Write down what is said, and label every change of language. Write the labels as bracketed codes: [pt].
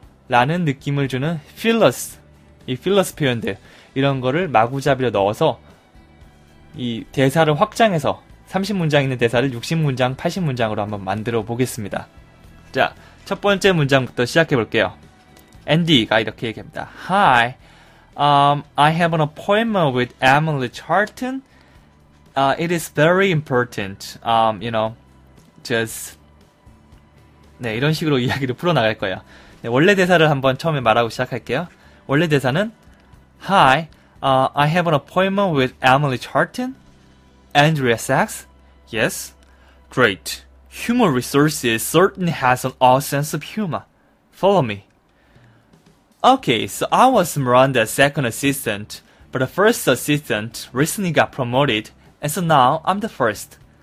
[ko] 라는 느낌을 주는 필러스 표현들 이런 거를 마구잡이로 넣어서 이 대사를 확장해서 30문장 있는 대사를 60문장, 80문장으로 한번 만들어 보겠습니다. 자, 첫 번째 문장부터 시작해 볼게요. 앤디가 이렇게 얘기합니다. [en] Hi, I have an appointment with Emily Charlton. It is very important. [ko] Just 네, 이런 식으로 이야기를 풀어나갈 거예요. 네, 원래 대사를 한번 처음에 말하고 시작할게요. 원래 대사는 [en] Hi, I have an appointment with Emily Charlton. Andrea Sachs? Yes? Great. Human resources certainly has an odd sense of humor. Follow me. Okay, so I was Miranda's second assistant, but the first assistant recently got promoted, and so now I'm the first.